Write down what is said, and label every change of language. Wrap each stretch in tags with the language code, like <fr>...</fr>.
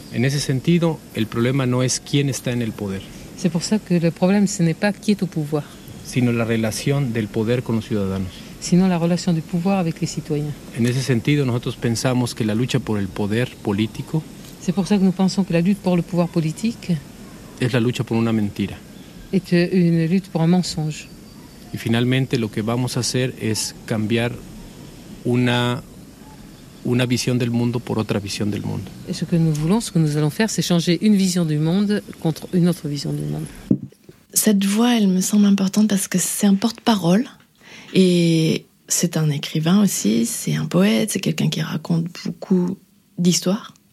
<es>En ese sentido, el problema no es quién está en el poder.</es> <fr>C'est pour ça que le problème, ce n'est pas qui est au pouvoir.</fr> <es>Sino la relación del poder con los ciudadanos. Sino la relación del</es> <fr>pouvoir avec les citoyens.</fr> <es>En ese sentido, nosotros pensamos que la lucha por el poder político...</es> <fr>C'est pour ça que nous pensons que la lutte pour le pouvoir politique...</fr> <es>Es la lucha por una mentira.</es> <fr>Est une lutte pour un mensonge.</fr> <es>Y finalmente, lo que vamos a hacer es cambiar una visión del mundo por otra visión del mundo.</es> <fr>Et ce que nous voulons, ce que nous allons faire, c'est changer une vision du monde contre une autre vision du monde. Cette voix, elle me semble importante parce que c'est un porte-parole. Et c'est un écrivain aussi, c'est un poète, c'est quelqu'un qui raconte beaucoup d'histoires.</fr>